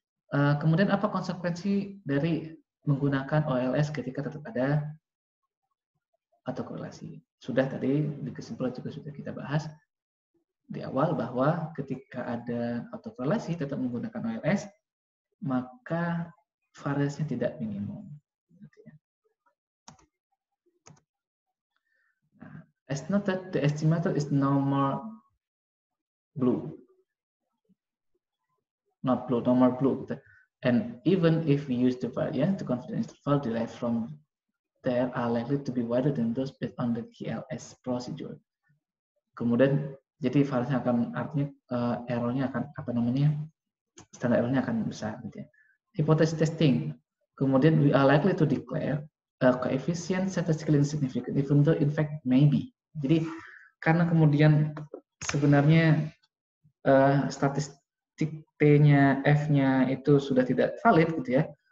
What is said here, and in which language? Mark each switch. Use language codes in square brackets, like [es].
[id] Kemudian apa konsekuensi dari menggunakan OLS ketika tetap ada autokorelasi. Sudah tadi di kesimpulan juga sudah kita bahas di awal bahwa ketika ada autokorelasi tetap menggunakan OLS maka variance-nya tidak minimum. [en] Nah, as noted, the estimator is no more blue. Not blue, no more blue. And even if we use the variance, the confidence interval derived from that are likely to be wider than those based on the GLS procedure. [id] Kemudian, jadi variasinya akan artinya errornya akan apa namanya standar errornya akan besar. Gitu ya. [en] Hypothesis testing. Kemudian, we are likely to declare a coefficient statistically significant even though in fact maybe. [id] Jadi karena kemudian sebenarnya statistik T-nya, F-nya itu sudah tidak valid gitu ya.